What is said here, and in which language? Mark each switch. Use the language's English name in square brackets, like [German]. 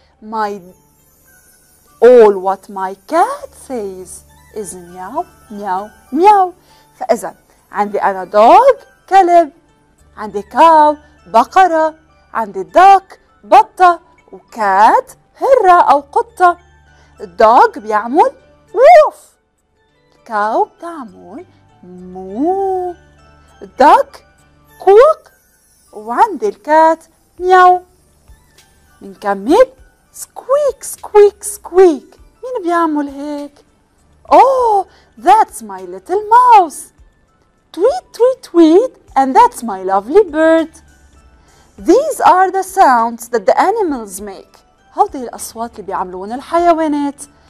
[English] My all what my cat says is meow meow meow. [Arabic] فإذا عندي أنا dog كلب، عندي cow بقرة، عندي duck بطة، وكات هرة أو قطة. الدوغ بيعمل ووف، الكاو بتعمل مو، الدوغ كوك، وعند الكات مياو. منكمل سكويك سكويك سكويك. مين بيعمل هيك؟ [English] Oh, that's my little mouse. Tweet tweet tweet, and that's my lovely bird. These are the sounds that the animals make. [Arabic] هودي الأصوات اللي بيعملون الحيوانات.